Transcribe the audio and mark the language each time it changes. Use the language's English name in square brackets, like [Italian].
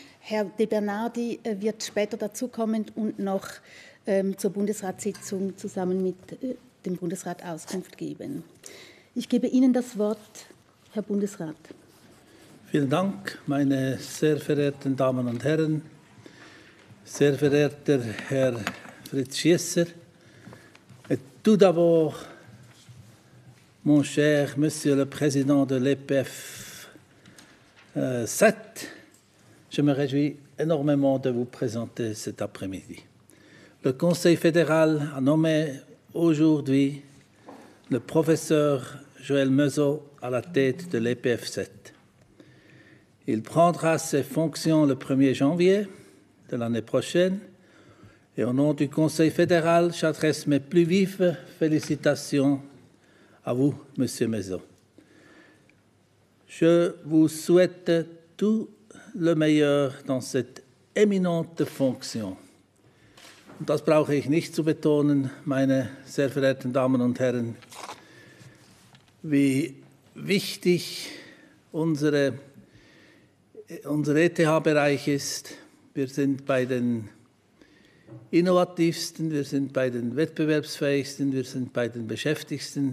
[German] Herr De Bernardi wird später dazukommen und noch zur Bundesratssitzung zusammen mit dem Bundesrat Auskunft geben. Ich gebe Ihnen das Wort, Herr Bundesrat. Vielen Dank, meine sehr verehrten Damen und Herren, sehr verehrter Herr Fritz Schiesser. [French] Tout d'abord, mon cher Monsieur le Président de l'EPF 7, je me réjouis énormément de vous présenter cet après-midi. Le Conseil fédéral a nommé aujourd'hui le professeur Joël Meuseau à la tête de l'EPF 7. Il prendra ses fonctions le 1er janvier de l'année prochaine et au nom du Conseil fédéral, j'adresse mes plus vives félicitations à vous, M. Meuseau. Je vous souhaite tout le meilleur dans cette éminente fonction. [German] Und das brauche ich nicht zu betonen, meine sehr verehrten Damen und Herren, wie wichtig unser ETH-Bereich ist. Wir sind bei den innovativsten, wir sind bei den wettbewerbsfähigsten, wir sind bei den beschäftigsten.